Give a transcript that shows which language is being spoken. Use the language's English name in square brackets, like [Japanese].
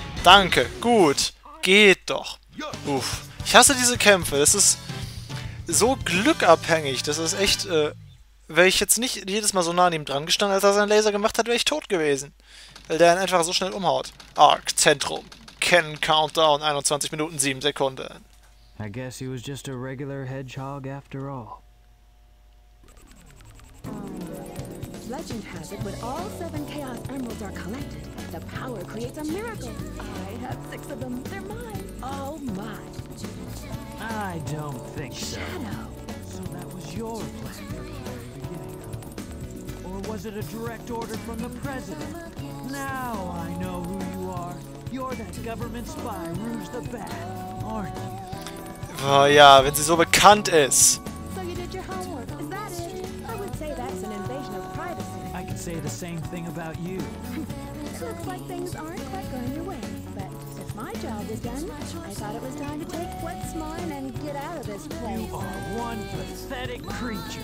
[German] Danke, gut. Geht doch. Uff. Ich hasse diese Kämpfe. Das ist so glückabhängig. Das ist echt Wäre ich jetzt nicht jedes Mal so nah an ihm dran gestanden, als er seinen Laser gemacht hat, wäre ich tot gewesen. Weil der ihn einfach so schnell umhaut. Arc Zentrum. Ken Countdown 21 Minuten 7 Sekunden. [English] I guess he was just a regular hedgehog after all. Legend has it, when all seven Chaos Emeralds are collected, the power creates a miracle. I have six of them. They're mine. All mine. I don't think so. Shadow. So that was your plan from the very beginning. Or was it a direct order from the president? Now I know who you are. You're that government spy, Rouge the Bat, aren't you? [German] Oh ja, wenn sie so bekannt ist. [English] So you did your homework, is that it? I would say that's an invasion of privacy. I can say the same thing about you. Looks like things aren't quite going your way. But if my job is done, I thought it was time to take what's mine and get out of this place. You are one pathetic creature.